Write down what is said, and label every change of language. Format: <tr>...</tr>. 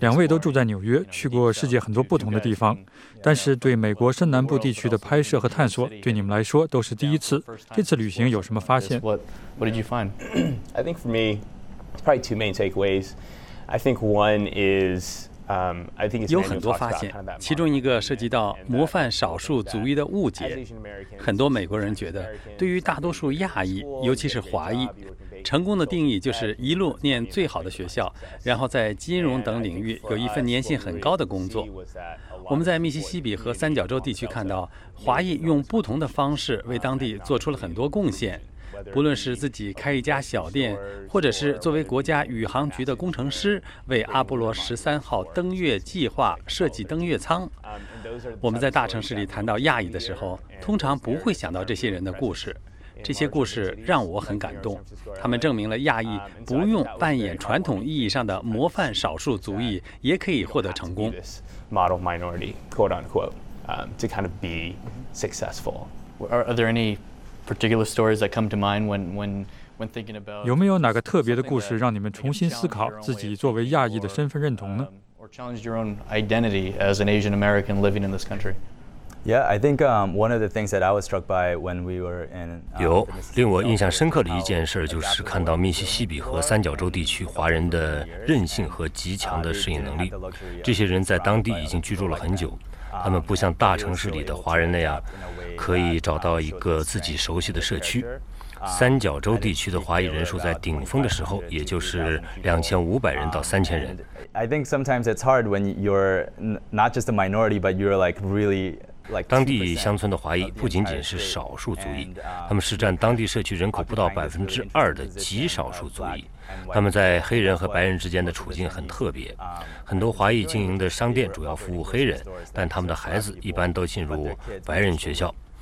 <zh>两位都住在纽约，去过世界很多不同的地方，但是对美国深南部地区的拍摄和探索，对你们来说都是第一次。这次旅行有什么发现</zh> <en>？What did you find? I think for me, it's probably two main takeaways. I think one is.</en> <zh>有很多发现，其中一个涉及到模范少数族裔的误解。很多美国人觉得，对于大多数亚裔，尤其是华裔，成功的定义就是一路念最好的学校，然后在金融等领域有一份年薪很高的工作。我们在密西西比和三角洲地区看到，华裔用不同的方式为当地做出了很多贡献。不论是自己开一家小店，或者是作为国家宇航局的工程师，为阿波罗十三号登月计划设计登月舱。我们在大城市里谈到亚裔的时候，通常不会想到这些人的故事。这些故事让我很感动，他们证明了亚裔不用扮演传统意义上的模范少数族裔，也可以获得成功。</zh> <en>Model minority, quote unquote, to kind of be successful. Are there any? Particular stories that come to mind when thinking about.</en> <zh>有没有哪个特别的故事让你们重新思考自己作为亚裔的身份认同呢</zh> <en>？Or challenged your own identity as an Asian American living in this country? Yeah, I think one of the things that I was struck by when we were in.</en> <zh>有令我印象深刻的一件事就是看到密西西比和三角洲地区华人的韧性和极强的适应能力。这些人在当地已经居住了很久。他们不像大城市里的华人那样可以找到一个自己熟悉的社区。三角洲地区的华裔人数在顶峰的时候，也就是2500人到3000人。</zh> <en>I think sometimes it's hard when you're not just a minority, but you're like really like.</en> <zh>当地乡村的华裔不仅仅是少数族裔，他们是占当地社区人口不到2%的极少数族裔。他们在黑人和白人之间的处境很特别，很多华裔经营的商店主要服务黑人，但他们的孩子一般都进入白人学校。</zh>